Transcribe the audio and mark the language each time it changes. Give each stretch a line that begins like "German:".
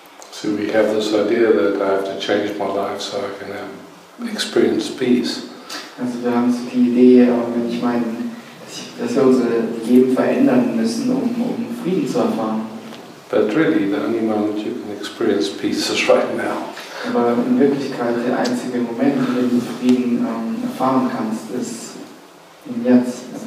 English: So we have this idea that I have to change my life so I can experience peace.
German: Also wir haben so die Idee, wenn ich meine, dass wir unser Leben verändern müssen, um Frieden zu erfahren.
English: But really, the only moment you can experience peace is right now.
German: Aber in Wirklichkeit der einzige Moment, in dem du Frieden erfahren kannst, ist im Jetzt.